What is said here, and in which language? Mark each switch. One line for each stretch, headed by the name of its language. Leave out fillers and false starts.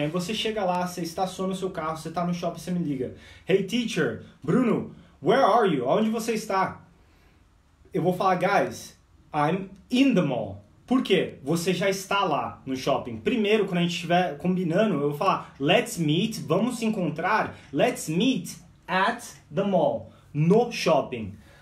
Portuguese: Aí você chega lá, você estaciona o seu carro, você está no shopping, você me liga.
English: Hey, teacher, Bruno, where are you?
Portuguese: Onde você está? Eu vou falar, guys,
English: I'm in the mall.
Portuguese: Por quê? Você já está lá no shopping. Primeiro, quando a gente estiver combinando, eu vou falar, vamos se encontrar.
English: Let's meet at the mall,
Portuguese: no shopping.